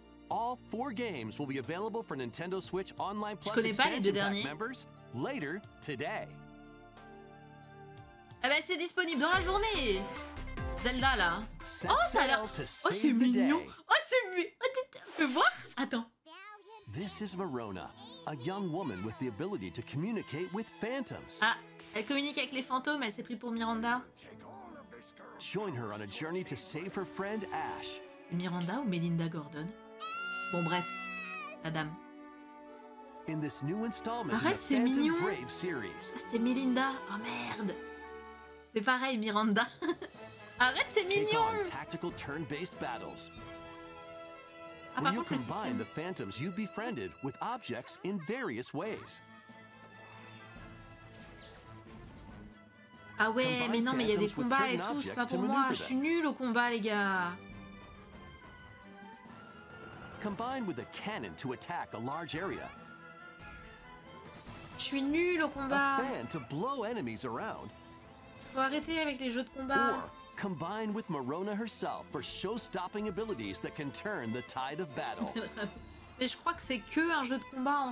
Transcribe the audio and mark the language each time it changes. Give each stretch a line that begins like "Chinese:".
English: All four games will be available for Nintendo Switch Online Plus expansion pack members later today.
French: Ah ben c'est disponible dans la journée. Zelda là. Oh ça a l'air. Oh c'est mignon. Oh c'est mignon. Oh tu peux voir? Attends.
English: This is Verona, a young woman with the ability to communicate with phantoms.
French: Ah, elle communique avec les fantômes, elle s'est pris pour Miranda.
English: Join her on a journey to save her friend Ash.
French: Miranda ou Melinda Gordon? Bon bref, madame.
English: In this new installment of the Phantom Brave series.
French: Ah, c'était Melinda. Oh merde. C'est pareil Miranda. Arrête, c'est mignon.
English: Take on tactical turn-based battles. Ah, when you combine the phantoms you befriended with objects in various ways.
French: Ah ouais, mais non, mais il y a des combats et tout, c'est pas pour moi. Je suis nul au combat, les gars.
English: Combined with a cannon to attack a large area.
French: Je suis nul au combat.
English: A fan to blow enemies around.
French: Faut arrêter avec les jeux de combat.
English: Or, combine with Marona herself for show-stopping abilities that can turn the tide of battle.
French: Mais je crois que c'est que un jeu de combat en